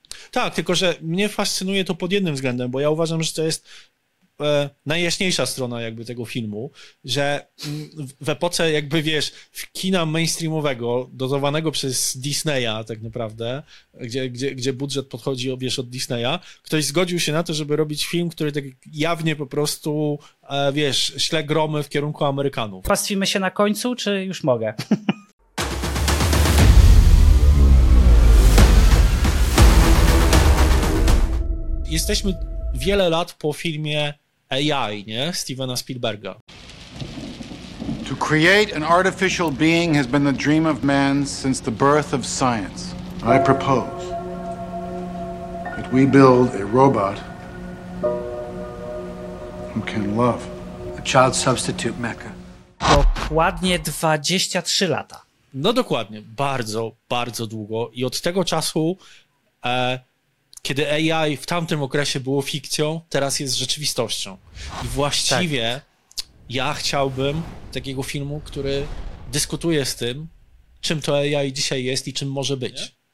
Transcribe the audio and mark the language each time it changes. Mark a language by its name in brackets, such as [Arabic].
[Polish] Tak, tylko że mnie fascynuje to pod jednym względem, bo ja uważam, że to jest najjaśniejsza strona jakby tego filmu, że w epoce jakby, wiesz, w kina mainstreamowego, dozowanego przez Disneya tak naprawdę, gdzie budżet podchodzi, wiesz, od Disneya, ktoś zgodził się na to, żeby robić film, który tak jawnie po prostu, wiesz, śle gromy w kierunku Amerykanów. Pastwimy się na końcu, czy już mogę? Jesteśmy wiele lat po filmie AI, nie? Stevena Spielberga. [English] To create an artificial being has been the dream of man since the birth of science. I propose that we build a robot who can love. A child substitute mecha. [Polish] Dokładnie 23 lata. No dokładnie, bardzo, bardzo długo. I od tego czasu, kiedy AI w tamtym okresie było fikcją, teraz jest rzeczywistością. I właściwie tak. Ja chciałbym takiego filmu, który dyskutuje z tym, czym to AI dzisiaj jest i czym może być. Nie?